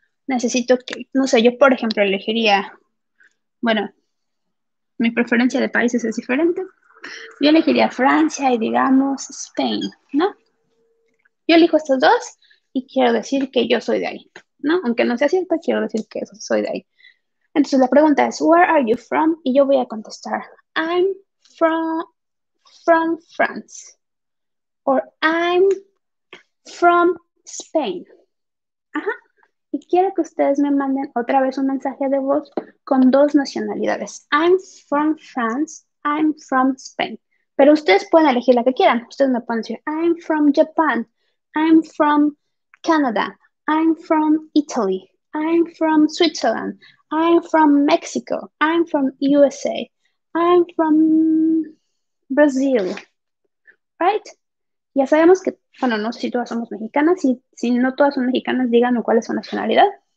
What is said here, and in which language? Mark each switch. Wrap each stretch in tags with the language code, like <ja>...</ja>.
<es>Necesito que, no sé, yo por ejemplo elegiría, bueno, mi preferencia de países es diferente. Yo elegiría Francia y digamos Spain, ¿no? Yo elijo estos dos y quiero decir que yo soy de ahí, ¿no? Aunque no sea cierto, quiero decir que soy de ahí. Entonces la pregunta es,</es> <en>where are you from?</en> <es>Y yo voy a contestar,</es> <en>I'm from France. Or I'm from Spain. Ajá.</en> <es>Y quiero que ustedes me manden otra vez un mensaje de voz con dos nacionalidades.</es> <en>I'm from France, I'm from Spain.</en> <es>Pero ustedes pueden elegir la que quieran. Ustedes me pueden decir,</es> <en>I'm from Japan, I'm from Canada, I'm from Italy, I'm from Switzerland, I'm from Mexico, I'm from USA, I'm from Brazil. Right?</en> <es>Ya sabemos que, bueno, no sé si todas somos mexicanas, y si no todas son mexicanas, díganme cuál es su nacionalidad.</es>